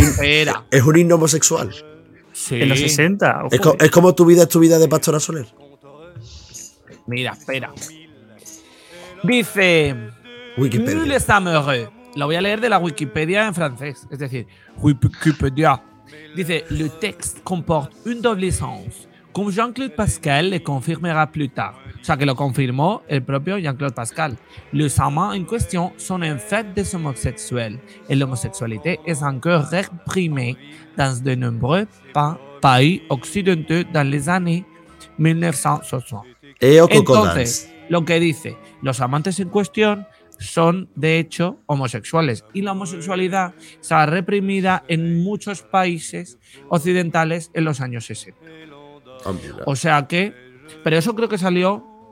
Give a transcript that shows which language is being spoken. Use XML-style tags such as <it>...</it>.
<es>Es un himno homosexual. Sí. En los 60. Es como tu vida de Pastora Soler. Mira, espera. Dice. Wikipedia. Le Stamore. Lo voy a leer de la Wikipedia en francés. Es decir, Wikipedia. Dice,</es> <fr>le texte comporte une double essence, comme Jean-Claude Pascal le confirmera plus tard.</fr> <es>O sea, que lo confirmó el propio Jean-Claude Pascal.</es> <fr>Les amants en question sont en fait des homosexuels. Et l'homosexualité est encore réprimée dans de nombreux pays occidentaux dans les années 1960.</fr> <es>Entonces, lo que dice, los amantes en cuestión son, de hecho, homosexuales. Y la homosexualidad se ha reprimida en muchos países occidentales en los años 60. Oh, o sea que... Pero eso creo que salió...</es>